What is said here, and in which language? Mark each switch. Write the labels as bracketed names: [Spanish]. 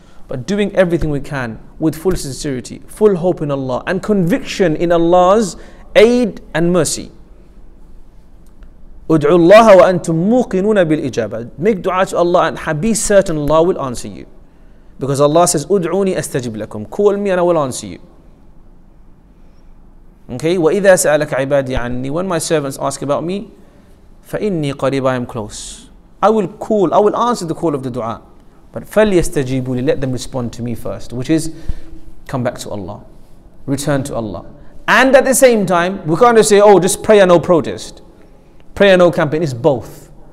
[English] But doing everything we can with full sincerity, full hope in Allah, and conviction in Allah's aid and mercy. [Arabic] Ud'u Allah wa antum muqinuna bil ijabah. [English] Make dua to Allah and be certain Allah will answer you. Because Allah says, [Arabic] Ud'uni astajib lakum. [English] Call me and I will answer you. [Arabic] Okay, وَإِذَا سَأَلَكَ عِبَادِي عَنِّي. [English] When my servants ask about me, [Arabic] فَإِنِّي قَرِيبَ. [English] I am close. I will answer the call of the dua. But [Arabic] فَلْيَسْتَجِيبُوا لِي. [English] Let them respond to me first, which is come back to Allah, return to Allah. And at the same time, we can't just say, oh, just prayer, no protest. Prayer, no campaign. It's both.